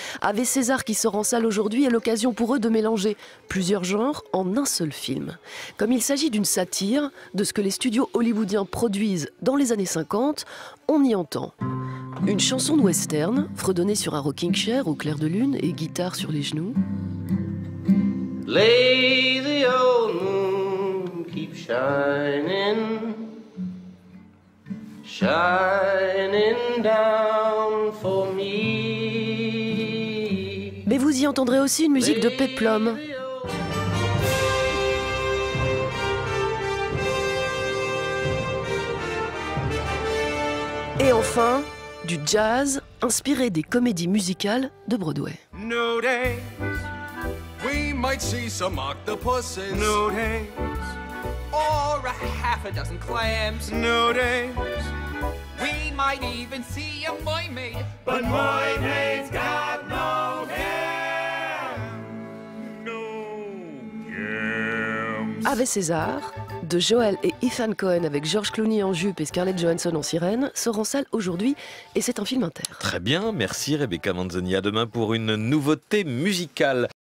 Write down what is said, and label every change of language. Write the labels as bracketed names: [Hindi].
[French] Ave César, qui sort en salle aujourd'hui, est l'occasion pour eux de mélanger plusieurs genres en un seul film. Comme il s'agit d'une satire de ce que les studios hollywoodiens produisent dans les années 50, on y entend une chanson de western, fredonnée sur un rocking chair au clair de lune et guitare sur les genoux. [English] Lazy old moon, keep shining, shining down for me. [French] Mais vous y entendrez aussi une musique de péplum. Et enfin, du jazz inspiré des comédies musicales de Broadway. [English] No day. Might see some octopuses. No days. Or a half a dozen clams. No days. We might even see a mermaid. But mermaids got no gams. No gams. [French] Ave César, de Joël et Ethan Cohen avec George Clooney en jupe et Scarlett Johansson en sirène, sort en salle aujourd'hui et c'est un film inter. Très bien, merci Rebecca Manzoni. À demain pour une nouveauté musicale.